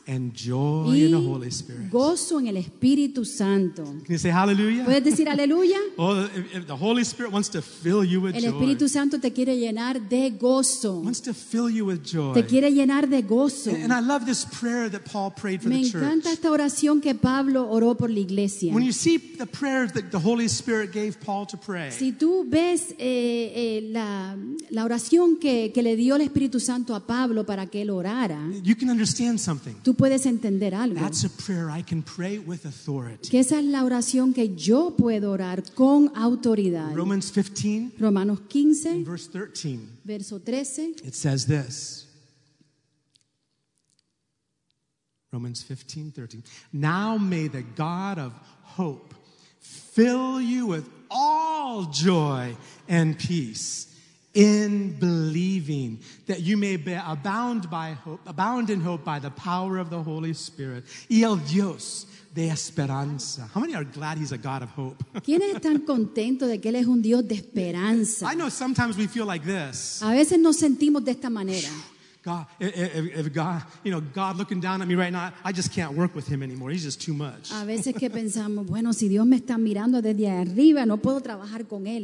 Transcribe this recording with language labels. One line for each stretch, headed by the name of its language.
English: and joy in the Holy Spirit.
Spanish: Gozo en el Espíritu Santo.
English: Can you say hallelujah?
Spanish: ¿Puedes decir aleluya?
English: Oh, if the Holy Spirit wants to fill you with
Spanish: el Espíritu Santo te quiere llenar de gozo.
English: Wants to fill you with joy.
Spanish: Te quiere llenar de gozo.
English: And I love this prayer that Paul prayed for
Spanish: Me
English: the church.
Spanish: Me encanta esta oración que Pablo oró por la iglesia.
English: When you see the prayers that the Holy Spirit gave Paul to pray.
Spanish: Si tú ves la oración que le dio el Espíritu Santo a Pablo para que él orara.
English: You can understand something.
Spanish: Tú puedes entender algo.
English: That's a prayer I can pray with authority.
Spanish: Que esa es la oración que yo puedo orar con autoridad.
English: Romans 15,
Spanish: Romanos 15,
English: verse 13,
Spanish: verso 13,
English: it says this. Romans 15, 13. Now may the God of hope fill you with all joy and peace in believing, that you may be abound in hope by the power of the Holy Spirit.
Spanish: Y el Dios de esperanza.
English: How many are glad He's a God of hope?
Spanish: ¿Quiénes están contentos de que Él es un Dios de esperanza?
English: I know sometimes we feel like this.
Spanish: A veces nos sentimos de esta manera.
English: God, if God, you know, God looking down at me right now, I just can't work with Him anymore. He's just too much.
Spanish: A veces que pensamos, bueno, si Dios me está mirando desde arriba, no puedo trabajar con él.